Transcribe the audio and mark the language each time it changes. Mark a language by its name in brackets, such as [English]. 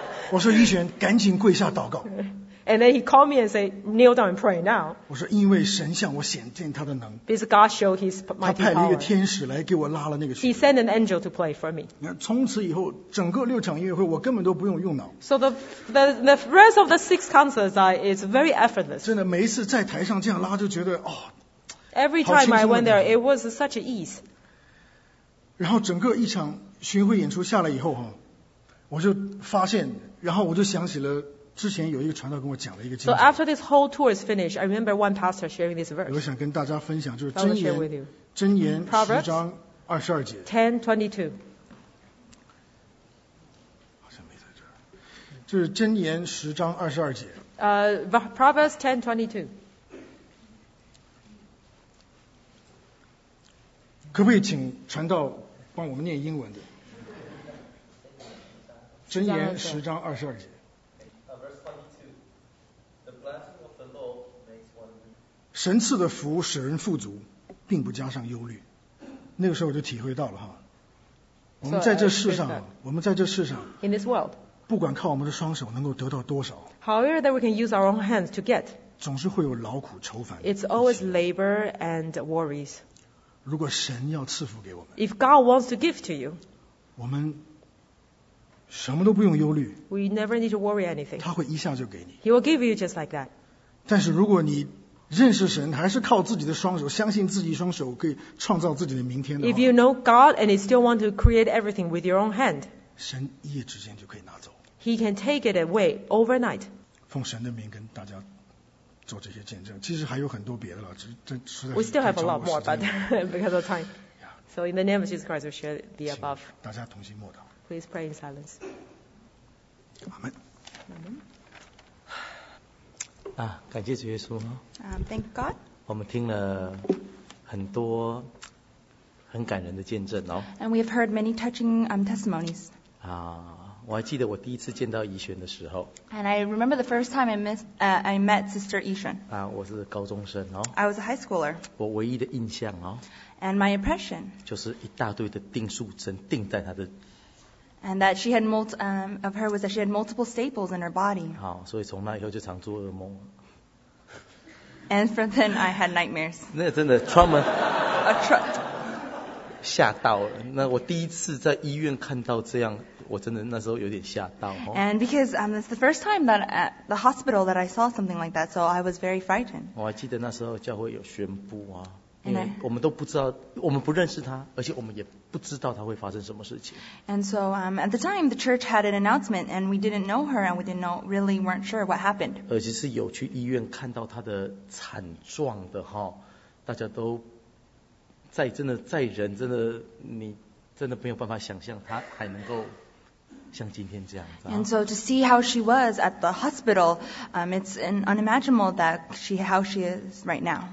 [Chinese] 我说一璇，赶紧跪下祷告。 [English] And then he called me and said, kneel down and pray now. [Chinese] 我说因为神向我显见他的能。 [English] Because God showed his mighty power. [Chinese] 他派了一个天使来给我拉了那个曲。 [English] He sent an angel to play for me. [Chinese] 从此以后整个六场音乐会我根本都不用脑。 [English] So the rest of the six concerts is very effortless. [Chinese] 真的每一次在台上这样拉就觉得哦。 [English] Every time I went there, it was such an ease. [Chinese] 然后整个一场巡回演出下来以后我就发现，然后我就想起了之前有一个传道跟我讲了一个经 [English] 文。So after this whole tour is finished, I remember one pastor sharing this verse. [Chinese] 我想跟大家分享，就是箴言，箴言十章二十二节。 [English] 10:22。 [Chinese] 好像没在这儿。就是箴言十章二十二节。 [English] Proverbs 10:22。 [Chinese] 可不可以请传道帮我们念英文的？箴言十章二十二节。神赐的福使人富足，并不加上忧虑。那个时候我就体会到了哈，我们在这世上，我们在这世上 [English] ，in this world， [Chinese] 不管靠我们的双手能够得到多少 [English] ，however that we can use our own hands to get， [Chinese] 总是会有劳苦愁烦。 [English] It's always labor and worries。 [Chinese] 如果神要赐福给我们 [English] ，if God wants to give to you， [Chinese] 我们什么都不用忧虑 [English] ，we never need to worry anything。 [Chinese] 他会一下就给你 [English] ，he will give you just like that。 [Chinese] 但是如果你认识神，还是靠自己的双手，相信自己双手可以创造自己的明天的话。 [English] If you know God and you still want to create everything with your own hand, [Chinese] 神一夜之间就可以拿走。 [English] He can take it away overnight. [Chinese] 奉神的名跟大家做这些见证，其实还有很多别的了，实在是。 [English] We still have a lot more, but because of time. So in the name of Jesus Christ, we share the above. [Chinese] 大家同心默祷。 [English] Please pray in silence. Amen. Amen. [Chinese] 啊，感谢主耶稣。 [English] Thank God。 [Chinese] 我们听了很多很感人的见证哦。 [English] And we have heard many touching testimonies。 [Chinese] 啊，我还记得我第一次见到怡璇的时候。 [English] And I remember the first time I met Sister Yixuan。 [Chinese] 啊，我是高中生哦。 [English] I was a high schooler。 [Chinese] 我唯一的印象哦。 [English] And my impression。 [Chinese] 就是一大堆的钉束针钉在她的。 [English] And that she had of her was that she had multiple staples in her body. [Chinese] 好，所以从那以后就常做噩梦。 [English] And from then I had nightmares. [Chinese] 那真的 trauma. [English] A trap. [Chinese] 吓到了。那我第一次在医院看到这样，我真的那时候有点吓到。 [English] And because it's the first time that at the hospital that I saw something like that, so I was very frightened. [Chinese] 我还记得那时候教会有宣布啊。我们都不知道，我们不认识他，而且我们也不知道他会发生什么事情。 [English] And so, at the time, the church had an announcement, and we didn't know her, and we didn't know, really weren't sure what happened. [Chinese] 而且是有去医院看到他的惨状的哈，大家都在真的在人真的你真的没有办法想象他还能够。像今天这样子。 [English] And so to see how she was at the hospital, it's an unimaginable that she how she is right now.